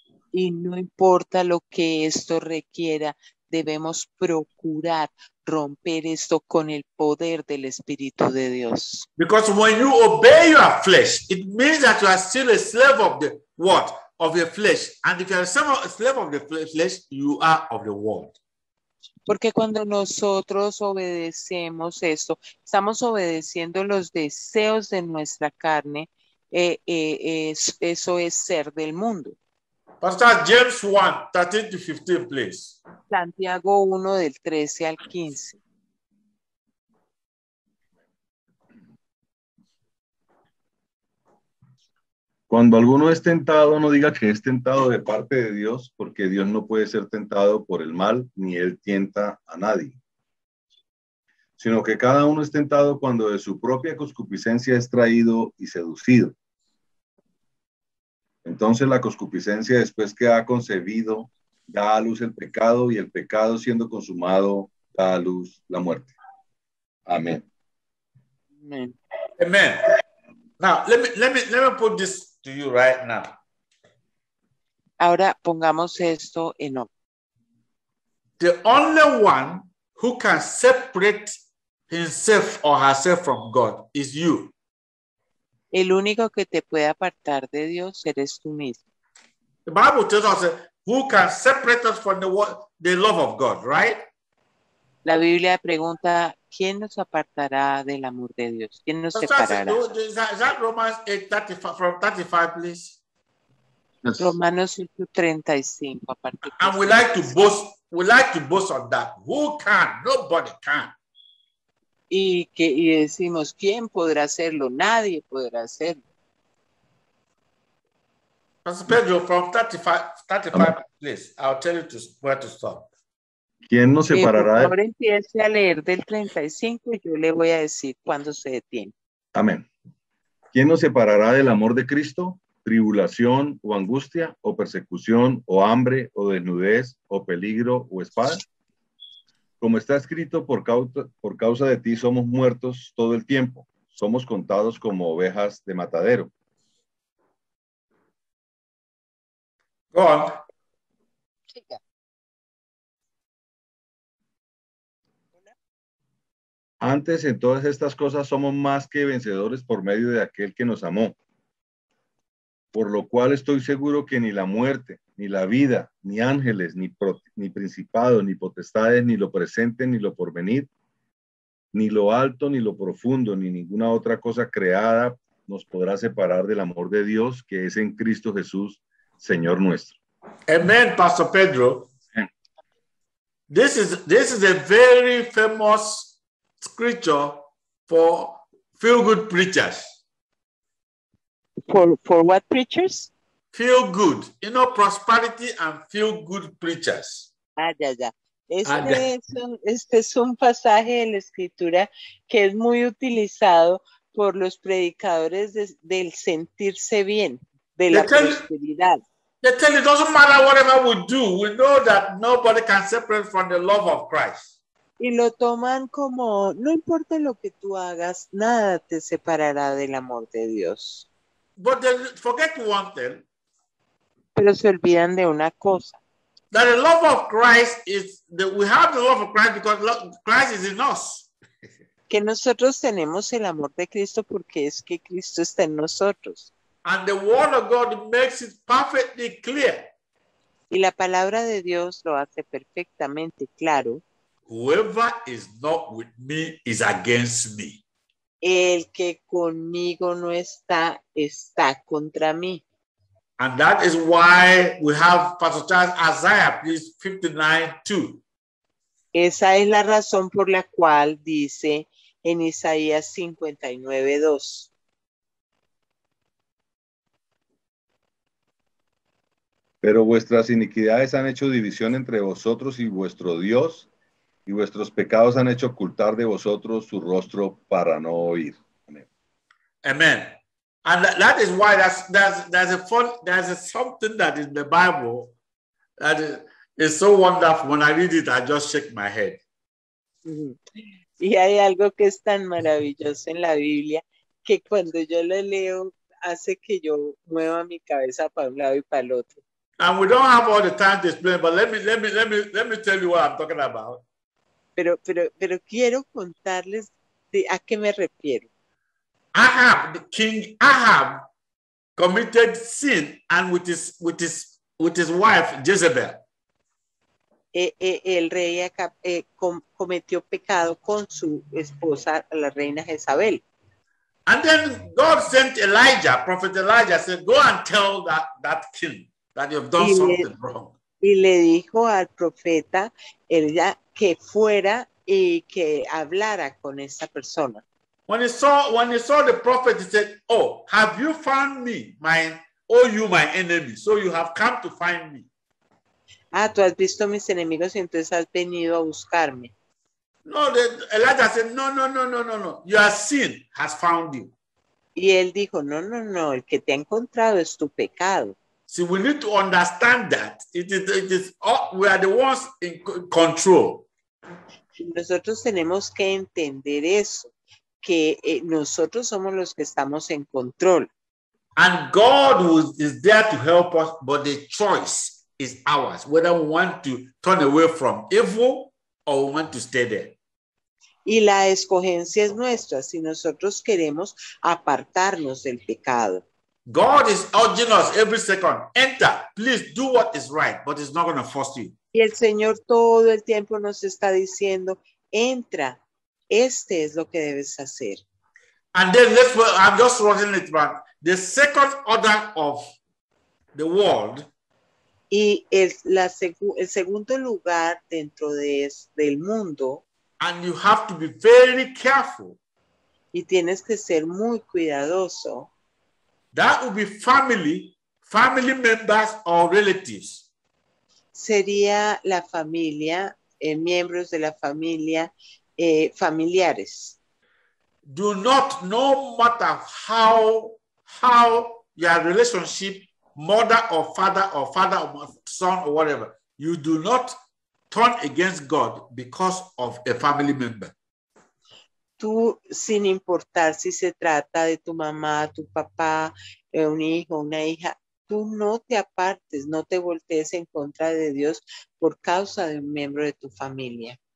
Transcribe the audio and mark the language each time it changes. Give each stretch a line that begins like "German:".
Spanish: Y no importa lo que esto requiera, debemos procurar romper esto con el poder del Espíritu de Dios.
English: Because when you obey your flesh, it means that you are still a slave of the what? Of your flesh. And if you are a slave of the flesh, you are of the world.
Spanish: Porque cuando nosotros obedecemos esto, estamos obedeciendo los deseos de nuestra carne, eso es ser del mundo.
English: Pastor, James 1, 13 to 15, please.
Spanish: Santiago 1, del 13 al 15. Cuando alguno es tentado, no diga que es tentado de parte de Dios, porque Dios no puede ser tentado por el mal, ni él tienta a nadie. sino que cada uno es tentado cuando de su propia concupiscencia es traído y seducido. Entonces la concupiscencia, después que ha concebido, da a luz el pecado, y el pecado, siendo consumado, da a luz la muerte. Amén. Amén.
English: Now, let me put this to you right now.
Spanish: Ahora pongamos esto en orden.
English: The only one who can separate himself or herself from God is you.
Spanish: El único que te puede apartar de Dios eres tú mismo.
English: The Bible tells us who can separate us from the love of God, right?
Spanish: La Biblia pregunta, ¿quién nos apartará del amor de Dios? ¿Quién nos separará?
English: Is that Romans 8:35, from 35, please?
Spanish: Yes. Romanos 8:35, aparte.
English: And we like to boast on that. Who can? Nobody can.
Spanish: Y decimos, ¿quién podrá hacerlo? Nadie podrá hacerlo.
English: Pastor Pedro, from 35, please. I'll tell you where to stop.
Spanish: ¿Quién nos separará? Por favor, empiece a leer del 35 y yo le voy a decir cuándo se detiene. Amén. ¿Quién nos separará del amor de Cristo? ¿Tribulación o angustia o persecución o hambre o desnudez o peligro o espada? Como está escrito, por causa de ti somos muertos todo el tiempo. Somos contados como ovejas de matadero.
English: Go on.
Spanish: Antes, en todas estas cosas, somos más que vencedores por medio de aquel que nos amó. Por lo cual estoy seguro que ni la muerte, ni la vida, ni ángeles, ni principados, ni potestades, ni lo presente, ni lo porvenir, ni lo alto, ni lo profundo, ni ninguna otra cosa creada nos podrá separar del amor de Dios que es en Cristo Jesús, Señor nuestro. Amén, Pastor Pedro.
English: This is a very famous scripture for feel good preachers. For what preachers? Feel good. You know, prosperity and feel good preachers. Ya.
Spanish: Este es un pasaje de la escritura que es muy utilizado por los predicadores del sentirse bien, de la prosperidad.
English: They tell you, it doesn't matter whatever we do, we know that nobody can separate from the love of Christ.
Spanish: Y lo toman como, no importa lo que tú hagas, nada te separará del amor de Dios.
English: But they forget one thing.
Spanish: Pero se olvidan de una cosa.
English: That the love of Christ is, that we have the love of Christ because Christ is in us.
Spanish: Que nosotros tenemos el amor de Cristo porque es que Cristo está en nosotros.
English: And the word of God makes it perfectly clear.
Spanish: Y la palabra de Dios lo hace perfectamente claro.
English: Whoever is not with me is against me.
Spanish: El que conmigo no está, está contra mí.
English: And that is why we have Pastor Charles Isaiah, please, 59:2.
Spanish: Esa es la razón por la cual dice en Isaías 59:2. Pero vuestras iniquidades han hecho división entre vosotros y vuestro Dios, y vuestros pecados han hecho ocultar de vosotros su rostro para no oír. Amen. Amen.
English: And that is why there's something that is in the Bible that is so wonderful. When I read it, I just shake my head.
Spanish: Y hay algo que es tan maravilloso en la Biblia que cuando yo lo leo hace que yo mueva mi cabeza para un lado y para el otro.
English: And we don't have all the time to explain, but let me tell you what I'm talking about.
Spanish: Pero quiero contarles de a qué me refiero.
English: Ahab, the king Ahab, committed sin and with his wife Jezebel.
Spanish: El rey cometió pecado con su esposa, la reina Jezabel.
English: And then God sent Elijah, prophet Elijah, said, "Go and tell that king that you've done something wrong."
Spanish: Y le dijo al profeta Elijah que fuera y que hablara con esa persona.
English: When he saw the prophet, he said, "Oh, have you found me, my enemy? So you have come to find me."
Spanish: Ah, tú has visto mis enemigos y entonces has venido a buscarme.
English: No, Elijah said, no. Your sin has found you.
Spanish: Y él dijo, no. El que te ha encontrado es tu pecado.
English: See, we need to understand that. It is, we are the ones in control.
Spanish: Nosotros tenemos que entender eso. Que nosotros somos los que estamos en control.
English: And God is there to help us, but the choice is ours. Whether we want to turn away from evil or we want to stay there.
Spanish: Y la escogencia es nuestra si nosotros queremos apartarnos del pecado.
English: God is urging us every second. Enter, please do what is right, but it's not going to force you.
Spanish: Y el Señor todo el tiempo nos está diciendo, entra, este es lo que debes hacer.
English: And then this way, I'm just running it back. The second order of the world.
Spanish: Y el segundo lugar dentro del mundo.
English: And you have to be very careful.
Spanish: Y tienes que ser muy cuidadoso.
English: That would be family members or relatives.
Spanish: Sería la familia, miembros de la familia, familiares.
English: Do not, no matter how your relationship, mother or father or son or whatever, you do not turn against God because of a family member.
Spanish: Tú, sin importar si se trata de tu mamá, tu papá, un hijo, una hija, tú no te apartes, no te voltees en contra de Dios por causa de un miembro de tu familia.